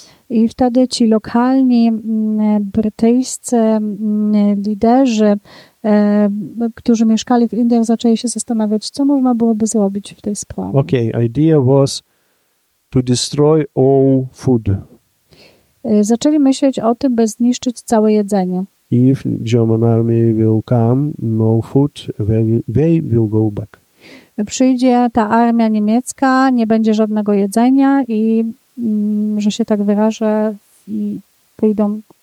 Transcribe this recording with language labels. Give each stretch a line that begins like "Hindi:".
Polish: I wtedy ci lokalni brytyjscy liderzy, którzy mieszkali w Indiach, zaczęli się zastanawiać, co można byłoby zrobić w tej sprawie.
English: Okay, idea was to destroy all food.
Polish: Zaczęli myśleć o tym, by zniszczyć całe jedzenie.
English: If German army will come, no food, they will go back.
Polish: Przyjdzie ta armia niemiecka, nie będzie żadnego jedzenia i, że się tak wyrażę, i pójdą.